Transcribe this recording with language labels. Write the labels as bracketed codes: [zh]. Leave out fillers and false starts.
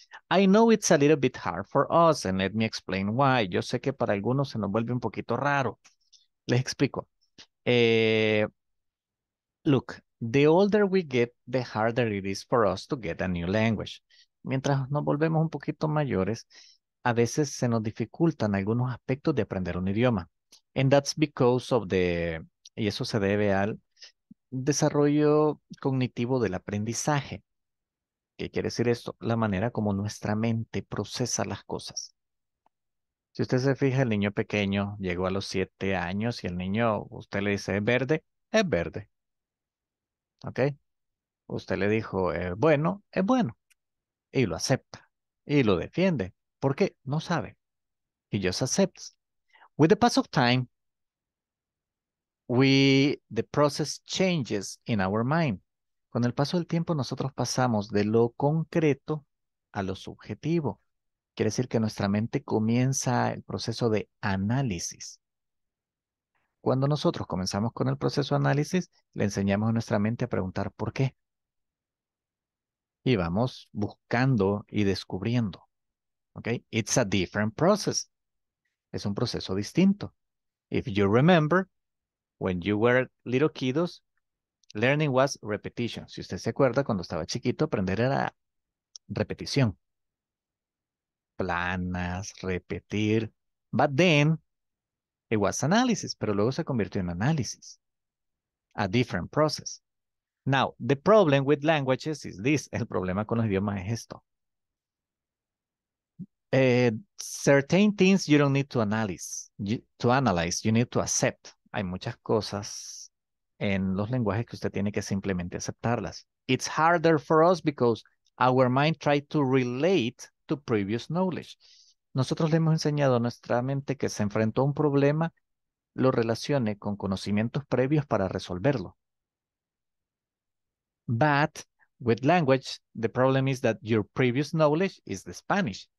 [en] I know it's a little bit hard for us, and let me explain why. [es] Yo sé que para algunos se nos vuelve un poquito raro. Les explico. [en] Look, the older we get, the harder it is for us to get a new language. [es] Mientras nos volvemos un poquito mayores, a veces se nos dificultan algunos aspectos de aprender un idioma. [en] And that's because of the... [es] Y eso se debe al desarrollo cognitivo del aprendizaje. ¿Qué quiere decir esto? La manera como nuestra mente procesa las cosas. Si usted se fija, el niño pequeño llegó a los 7 años y el niño, usted le dice, ¿es verde? Es verde. ¿Ok? Usted le dijo, bueno, es bueno. Y lo acepta. Y lo defiende. ¿Por qué? No sabe. [en] He just accepts. With the pass of time, the process changes in our mind. [es] Con el paso del tiempo, nosotros pasamos de lo concreto a lo subjetivo. Quiere decir que nuestra mente comienza el proceso de análisis. Cuando nosotros comenzamos con el proceso de análisis, le enseñamos a nuestra mente a preguntar por qué. Y vamos buscando y descubriendo. Okay? [en] It's a different process. [es] Es un proceso distinto. [en] If you remember, when you were little kiddos, learning was repetition. [es] Si usted se acuerda, cuando estaba chiquito, aprender era repetición. Planas, repetir. [en] But then, it was analysis. [es] Pero luego se convirtió en análisis. [en] A different process. Now, the problem with languages is this. [es] El problema con los idiomas es esto. [en] Certain things you don't need to analyze. You need to accept. [es] Hay muchas cosas en los lenguajes que usted tiene que simplemente aceptarlas. [en] It's harder for us because our mind tries to relate to previous knowledge. [es] Nosotros le hemos enseñado a nuestra mente que se enfrentó a un problema, lo relacione con conocimientos previos para resolverlo. [en] But with language, the problem is that your previous knowledge is the Spanish.